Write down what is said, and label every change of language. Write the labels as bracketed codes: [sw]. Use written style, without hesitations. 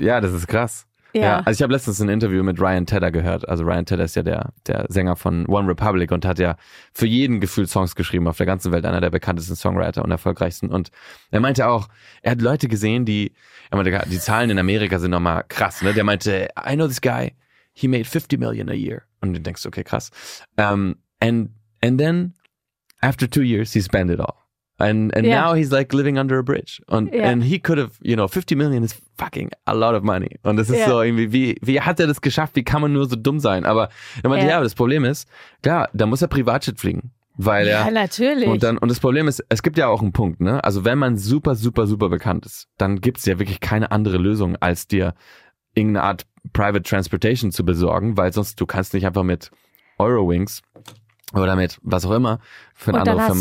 [de] Das ist krass. Ja. Also ich habe letztens ein Interview mit Ryan Tedder gehört. Also Ryan Tedder ist ja der Sänger von One Republic und hat ja für jeden gefühlt Songs geschrieben auf der ganzen Welt. Einer der bekanntesten Songwriter und erfolgreichsten. Und er meinte auch, er hat Leute gesehen, die Zahlen in Amerika sind nochmal krass. Ne? Der meinte, [en] I know this guy, he made 50 million a year. [de] Und du denkst, okay, krass. [en] And then, after 2 years, he spent it all. And now he's like living under a bridge. And he could have, you know, 50 million is fucking a lot of money. [de] Und das ist so irgendwie, wie hat er das geschafft? Wie kann man nur so dumm sein? Aber er meinte, das Problem ist, klar, da muss er Privatjet fliegen. Weil er, natürlich. Und das Problem ist, es gibt ja auch einen Punkt, ne? Also wenn man super, super, super bekannt ist, dann gibt es ja wirklich keine andere Lösung, als dir irgendeine Art Private Transportation zu besorgen, weil sonst du kannst nicht einfach mit Eurowings oder mit was auch immer für eine andere Firma fliegen.